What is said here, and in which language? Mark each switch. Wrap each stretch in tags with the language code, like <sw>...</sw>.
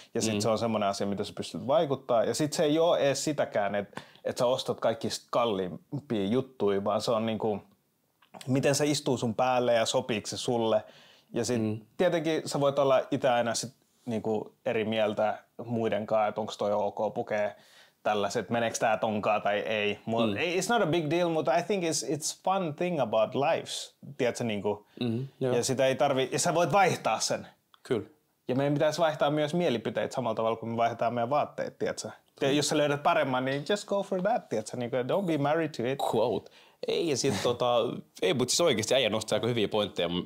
<fi>Ja sit se on semmoinen asia, mitä sä pystyt vaikuttaa. Ja sit se ei oo ees sitäkään, että sä ostat kaikista kalliimpia juttuja, vaan se on niinku, miten se istuu sun päälle ja sopiiko se sulle. Ja sit tietenkin sä voit olla ite aina sit niinku eri mieltä muidenkaan, että onko toi ok pukee tällaiset, meneekö tää tonkaa tai ei.</fi> <en>It's not a big deal, but I think it's fun thing about lives.</en> <fi>Tiedätkö, niin kuin, ja sitä ei tarvi, ja sä voit vaihtaa sen. Kyllä. Ja meidän pitäisi vaihtaa myös mielipiteet samalla tavalla, kun me vaihdetaan meidän vaatteet, tiedätkö. Ja jos sä löydät paremman, niin</fi> <en>just go for that,</en> <fi>tiedätkö, niin kuin,</fi> <en>don't be married to it. Quote.</en> <fi>Ei, ja sit ei, mutta siis oikeesti äijä nostaa aika hyviä pointteja.</fi>